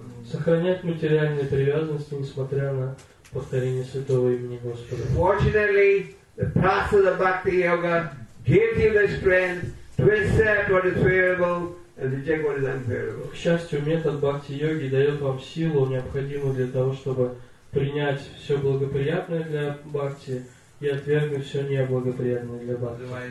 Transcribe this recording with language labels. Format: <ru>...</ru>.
<ru>Сохранять материальные привязанности, несмотря на повторение Святого Имени Господа.</ru> <en>Fortunately, the process of bhakti yoga gives you the strength to accept what is favorable and reject what is unfavorable.</en> <ru>К счастью, метод бхакти йоги дает вам силу, необходимую для того, чтобы принять все благоприятное для бхакти и отвергнуть все неблагоприятное для бхакти.</ru>